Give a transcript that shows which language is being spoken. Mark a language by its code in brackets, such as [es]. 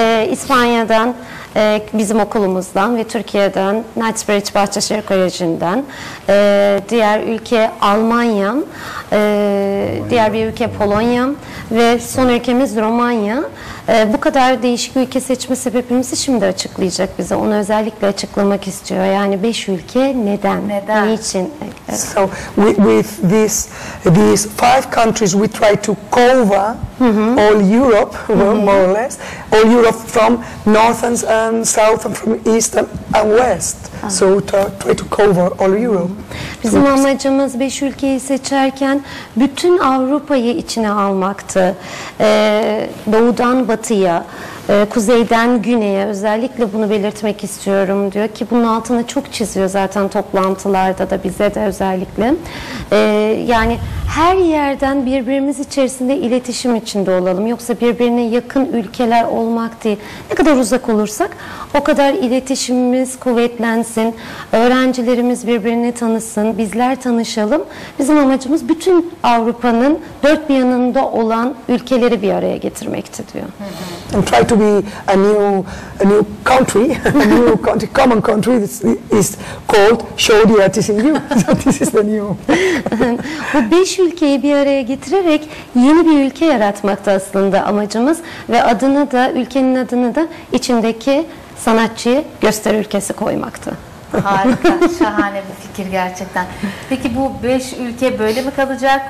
[tr] İspanya'dan, bizim okulumuzdan ve Türkiye'den, Knightsbridge Bahçeşehir Koleji'nden, diğer ülke Almanya'm, diğer bir ülke Polonya'm ve son ülkemiz Romanya. Bu kadar değişik ülke seçme sebebimizi şimdi açıklayacak bize. Onu özellikle açıklamak istiyor. Yani 5 ülke neden? Niçin? [en] So with these five countries we try to cover all Europe, more or less all Europe from north and south and from east and west. So try to cover all Europe. [tr] Bizim amacımız 5 ülkeyi seçerken bütün Avrupa'yı içine almaktı. Doğudan batıya, kuzeyden güneye özellikle bunu belirtmek istiyorum diyor ki bunun altını çok çiziyor zaten toplantılarda da bize de özellikle. Yani her yerden birbirimiz içerisinde iletişim içinde olalım. Yoksa birbirine yakın ülkeler olmak değil. Ne kadar uzak olursak o kadar iletişimimiz kuvvetlensin. Öğrencilerimiz birbirini tanısın. Bizler tanışalım. Bizim amacımız bütün Avrupa'nın dört bir yanında olan ülkeleri bir araya getirmekti diyor. [en] And try to be a new country, a new country, common country is called show the artist in you. This is the new. [tr] Bu beş ülkeyi bir araya getirerek yeni bir ülke yaratmakta aslında amacımız ve adını da ülkenin adını da içindeki sanatçıyı göster ülkesi koymaktı. Harika, şahane bir fikir gerçekten. Peki bu 5 ülke böyle mi kalacak?